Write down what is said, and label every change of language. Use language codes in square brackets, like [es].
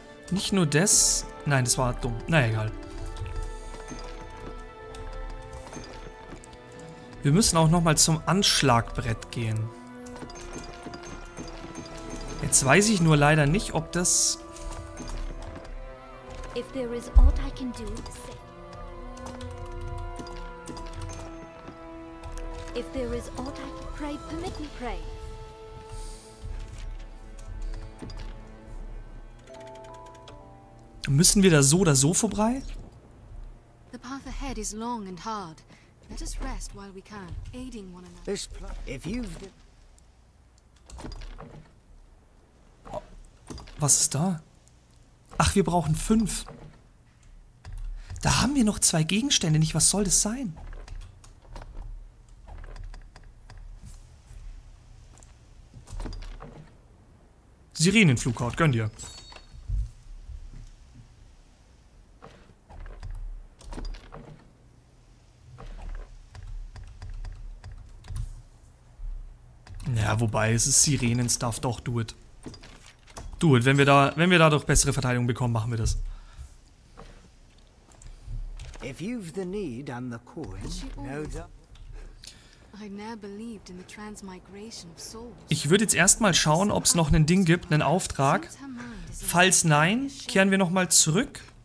[de] Nicht nur das. Nein, das war dumm. Na egal. Wir müssen auch nochmal zum Anschlagbrett gehen. Jetzt weiß ich nur leider nicht, ob das. [en] If there is aught I can do, say. If there is aught I can pray, permit me pray. [de] Müssen wir da so oder so vorbei? [en] The path ahead is long and hard. Let us rest while we can, aiding one another. If you've been. [de] Was ist da? Ach, wir brauchen 5. Da haben wir noch 2 Gegenstände nicht. Was soll das sein? Sirenenflughaut, gönn dir. Ja, wobei, es ist Sirenen-Stuff, doch, [en] do it. [de] Gut, wenn wir dadurch bessere Verteidigung bekommen, machen wir das. [en] If you've the need and the coin, no doubt. I never believed in the transmigration of souls. [de] Ich würde jetzt erstmal schauen, ob es noch ein Ding gibt, einen Auftrag. Falls nein, kehren wir nochmal zurück.